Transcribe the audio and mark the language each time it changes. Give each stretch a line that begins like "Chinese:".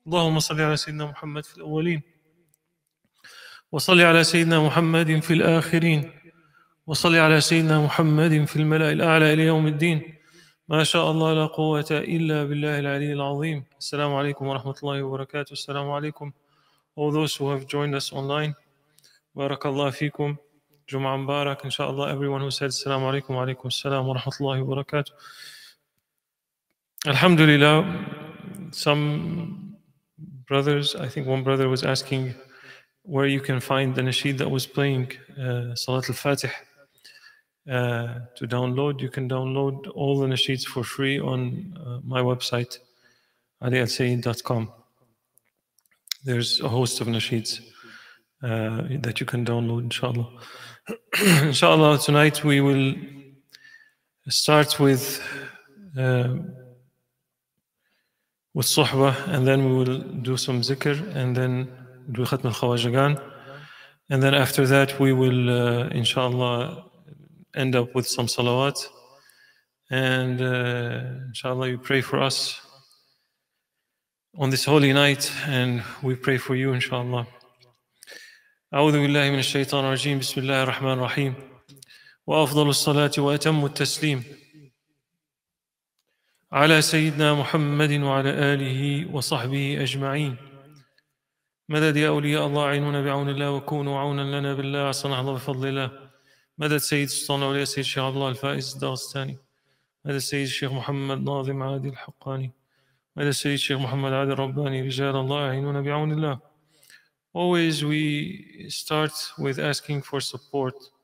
Arabic: اللهم صل على سيدنا محمد في الأولين، وصل على سيدنا محمد في الآخرين، وصل على سيدنا محمد في الملأ الأعلى إلى يوم الدين. ما شاء الله لا قوة إلا بالله العلي العظيم. السلام عليكم ورحمة الله وبركاته. السلام عليكم
English: all those who have joined us online.
Arabic: بارك الله فيكم. جمعة مبارك إن شاء الله.
English: Everyone who said
Arabic: السلام عليكم وعليكم السلام ورحمة الله وبركاته. الحمد لله.
English: Some brothers, I think one brother was asking where you can find the nasheed that was playing Salat al-Fatih. To download, you can download all the nasheeds for free on my website, alielsayed.com. There's a host of nasheeds that you can download, inshallah. Inshallah, tonight we will start with suhbah, and then we will do some zikr, and then do khatm al-khawajagan, and then after that we will inshallah end up with some salawat, and inshallah you pray for us on this holy night, and we pray for you inshallah.
Arabic: أعوذ بالله من الشيطان الرجيم بسم الله الرحمن الرحيم وأفضل الصلاة وأتم التسليم على سيدنا محمد وعلى آله وصحبه أجمعين مدد يا أولياء الله عينونا بعون الله وكونوا عونا لنا بالله عسى نحظى بفضل الله مدد سيد السلطان الأولياء سيد الشيخ عبد الله الفائز الداغستاني مدد سيد الشيخ محمد ناظم عادي الحقاني مدد سيد الشيخ محمد عادل رباني رجال الله عينونا بعون الله.
English: Always we start with asking for support.